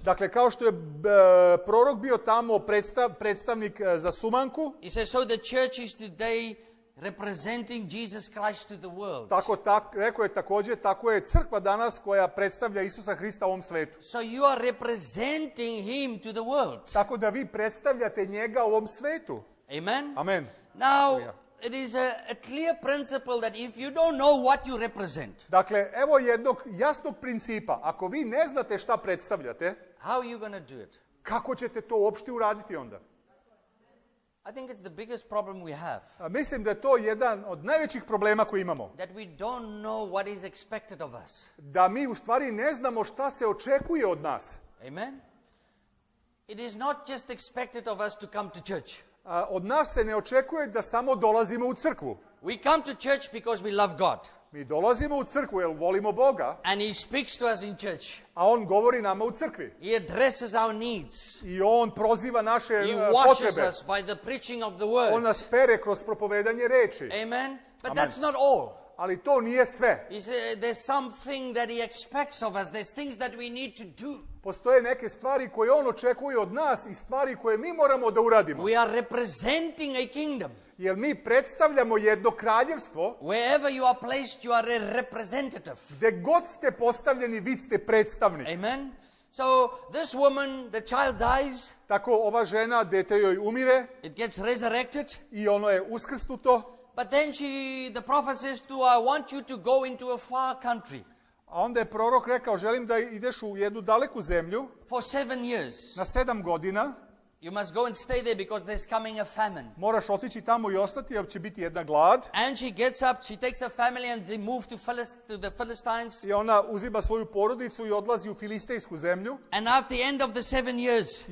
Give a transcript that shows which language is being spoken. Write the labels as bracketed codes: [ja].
[sr] Dakle kao što je prorok bio tamo predstavnik za Sumanku. [en] He says so the church is today representing Jesus Christ to the world. [sr] Rekao je također, tako je crkva danas koja predstavlja Isusa Hrista ovom svetu. [en] So you are representing him to the world. [sr] Tako da vi predstavljate njega ovom svetu. [en] Amen. [sr] Amen. [en] Now it is a clear principle that if you don't know what you represent. [sr] Dakle, evo jednog jasnog principa, ako vi ne znate šta predstavljate, [en] how are you going to do it? [sr] Kako ćete to uopšte uraditi onda? [en] I think it's the biggest problem we have. [sr] Mislim da je to jedan od najvećih problema koji imamo. [en] That we don't know what is expected of us. [sr] Da mi u stvari ne znamo šta se očekuje od nas. [en] Amen. It is not just expected of us to come to church. [sr] Od nas se ne očekuje da samo dolazimo u crkvu. [en] We come to church because we love God. [sr] Mi dolazimo u crkvu jer volimo Boga. [en] And he speaks to us in church. [sr] A on govori nama u crkvi. [en] He addresses our needs. [sr] I on proziva naše potrebe. [en] Us by the preaching of the word. [sr] On nas pere kroz propovedanje reči. [en] Amen. But Amen. That's not all. [sr] Ali to nije sve. [en] There's something that he expects of us. There's things that we need to do. [sr] Postoje neke stvari koje on očekuje od nas i stvari koje mi moramo da uradimo. [en] We are representing a kingdom. [sr] Jer mi predstavljamo jedno kraljevstvo. [en] Wherever you are placed, you are a representative. [sr] Gdje god ste postavljeni, vi ste predstavnik. [en] Amen. So this woman, the child dies. [sr] Tako ova žena, dete joj umire. [en] It gets resurrected. [sr] I ono je uskrsnuto. [en] But then the prophet says to her, I want you to go into a far country. [sr] A onda je prorok rekao, želim da ideš u jednu daleku zemlju. [en] For 7 years. [sr] Na 7 godina. [en] You must go and stay there because there's coming a famine. [sr] Moraš otići tamo i ostati jer će biti jedna glad. [en] And she gets up, she takes her family and they move to the Philistines. [sr] I ona uzima svoju porodicu i odlazi u filistejsku zemlju. [en] And at the end of the 7 years.